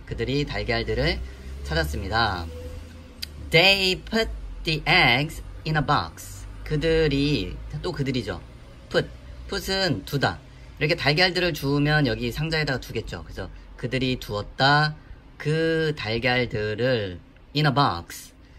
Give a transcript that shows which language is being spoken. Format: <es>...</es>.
<ko>그들이 달걀들을 찾았습니다.</ko> <en>They put the eggs in a box.</en> <ko>그들이 또 그들이죠. Put은 두다. 이렇게 달걀들을 주우면 여기 상자에다가 두겠죠. 그래서 그들이 두었다. 그 달걀들을</ko> <en>in a box.</en>